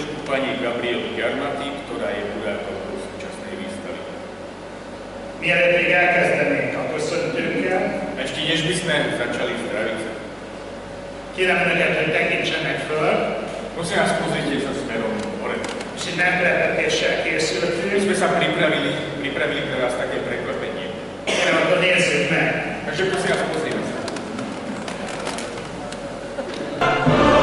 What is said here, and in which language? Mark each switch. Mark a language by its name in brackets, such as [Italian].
[Slovak] Pani Gabriel Gyarmati, ktorá je kurátorkou súčasnej výstavy. [Hungarian] Mielet még elkezdenénk a köszöntőnkkel. [Slovak] Ešte než by sme začali zdraviť sa. [Hungarian] Kérem neked, hogy tekintsenek föl. [Slovak] Prosím vás, pozrite sa smerom hore. [Hungarian] És egy meglepetéssel készültünk. [Slovak] My sme sa pripravili pre vás také prekvapenie. [Hungarian] Kérem, akkor nézzük meg. [Slovak] Takže prosím vás, pozrime sa.